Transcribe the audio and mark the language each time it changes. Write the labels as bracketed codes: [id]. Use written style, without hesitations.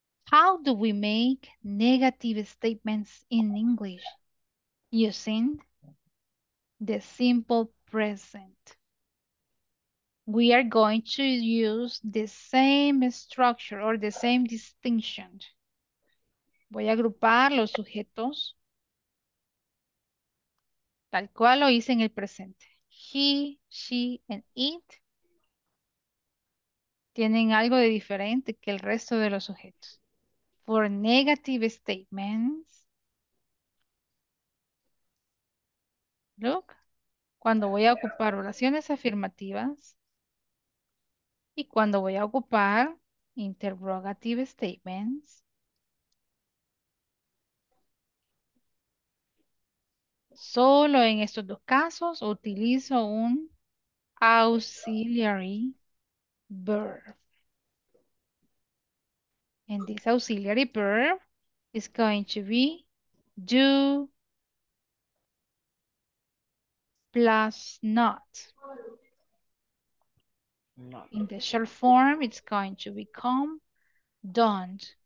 [en] How do we make negative statements in English? Using the simple present. We are going to use the same structure or the same distinction. [es] Voy a agrupar los sujetos tal cual lo hice en el presente. He, she, and it tienen algo de diferente que el resto de los sujetos. [en] For negative statements, look, [es] cuando voy a ocupar oraciones afirmativas y cuando voy a ocupar interrogative statements, solo en estos dos casos utilizo un auxiliary verb. [en] And this auxiliary verb is going to be do plus not. In the short form, it's going to become don't.